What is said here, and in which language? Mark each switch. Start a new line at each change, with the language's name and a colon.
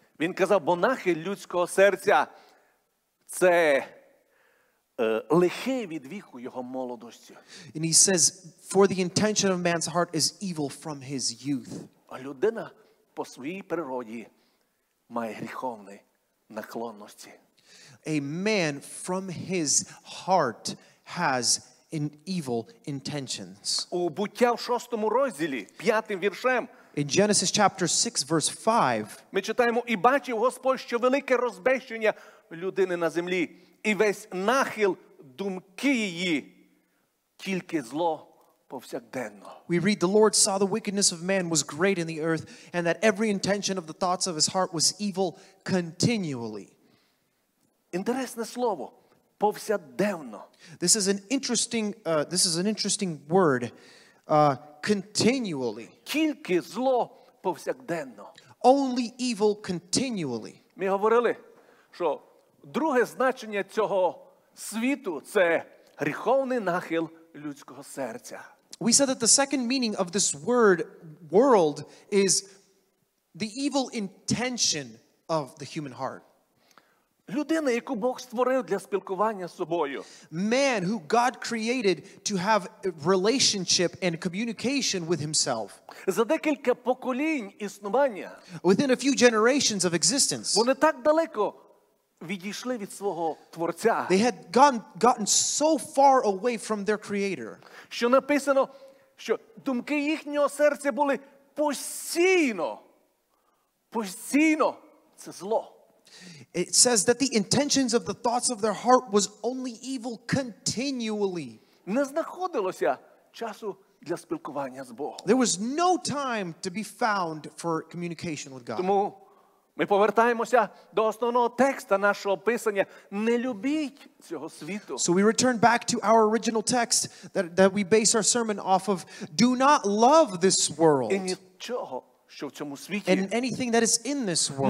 Ukrainian: Він казав, бо нахил людського серця це лихий від віку його молодості.
English: And he says, for the intention of man's heart is evil from his youth.
Ukrainian: А людина по своїй природі має гріховні наклонності.
English: A man from his heart has an evil intentions.
Ukrainian: У Буття в шостому розділі, п'ятим віршем.
English: In Genesis chapter 6, verse 5.
Ukrainian: Ми читаємо, і бачив Господь, що велике розбещення людини на землі, і весь нахил думки її, тільки зло повсякденно.
English: We read, the Lord saw the wickedness of man was great in the earth, and that every intention of the thoughts of his heart was evil continually.
Ukrainian: Інтересне слово повсякденно.
English: This is an interesting word continually.
Ukrainian: Тільки зло повсякденно.
English: Only evil continually.
Ukrainian: Ми говорили, що друге значення цього світу це гріховний нахил людського серця.
English: We said that the second meaning of this word world is the evil intention of the human heart.
Ukrainian: Людина, яку Бог створив для спілкування з собою.
English: Man who God created to have relationship and communication with himself.
Ukrainian: За декілька поколінь існування.
English: Within a few generations of existence.
Ukrainian: Вони так далеко відійшли від свого творця.
English: They had gotten so far away from their creator.
Ukrainian: Що написано, що думки їхнього серця були постійно. Постійно це зло.
English: It says that the intentions of the thoughts of their heart was only evil continually.
Ukrainian: Не знаходилося часу для спілкування з Богом.
English: There was no time to be found for communication with God.
Ukrainian: Тому ми повертаємося до основного текста нашого писання. Не любіть цього світу.
English: So we return back to our original text that we base our sermon off of. Do not love this world.
Ukrainian: І нічого. Що в цьому світі.
English: And anything that is in this world.